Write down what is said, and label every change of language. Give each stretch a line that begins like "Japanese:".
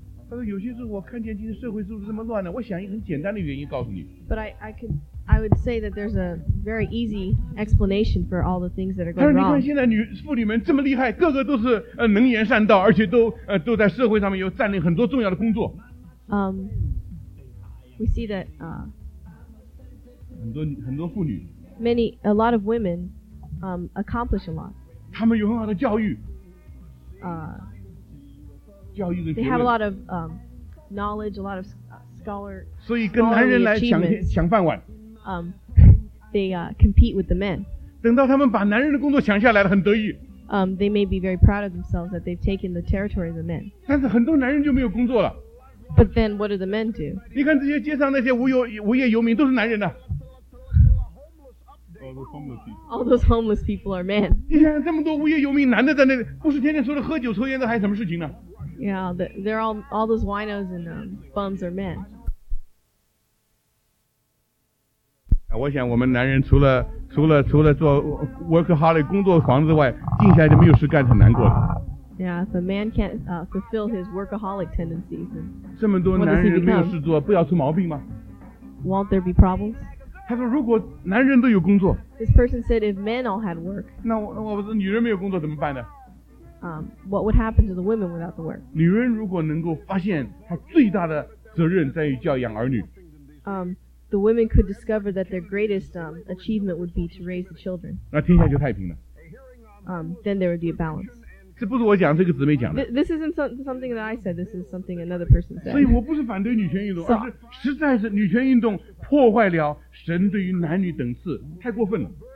Chinese: 他说有些时候我看见今天社会是不是这么乱呢，我想一个很简单的原因告诉你。
English: But I would say that there's a very easy explanation for all the things that are going wrong.
Chinese: 他说你看现在妇女们这么厉害，个个都是能言善道，而且都在社会上面有占领很多重要的工作。
English: We see that
Chinese: 很多妇女
English: many a lot of women accomplish a lot.
Chinese: 他们有很好的教育。
English: They have a lot of knowledge, a lot of scholar.
Chinese: 所以跟男人来抢饭碗。
English: They compete with the men.
Chinese: 等到他们把男人的工作抢下来了，很得意。
English: They may be very proud of themselves that they've taken the territory of the men.
Chinese: 但是很多男人就没有工作了。
English: But then, what do the men do?
Chinese: 你看这些街上那些无业游民都是男人的。
English: All those homeless people are men.
Chinese: 你看这么多无业游民，男的在那，不是天天说着喝酒抽烟的，还有什么事情呢？
English: Yeah, they're all those winos and bums are men.
Chinese: 我想我们男人除了做 workaholic 工作狂之外，静下来就没有事干，很难过的。
English: Yeah, if a man can't fulfill his workaholic tendencies, then
Chinese: 这么多男人没有事做，不要出毛病吗？
English: Won't there be problems?
Chinese: 他说如果男人都有工作，
English: This person said if men all had work,
Chinese: 那我说女人没有工作怎么办呢？
English: What would happen to the women without the work?
Chinese: 女人如果能够发现她最大的责任在于教养儿女。
English: The women could discover that their greatest achievement would be to raise the children.
Chinese: 那天下就太平了。
English: Then there would be a balance.
Chinese: 这不是我讲，这个姊妹讲的。
English: This isn't something that I said. This is something another person said.
Chinese: 所以我不是反对女权运动，而是实在是女权运动破坏了神对于男女等次，太过分了。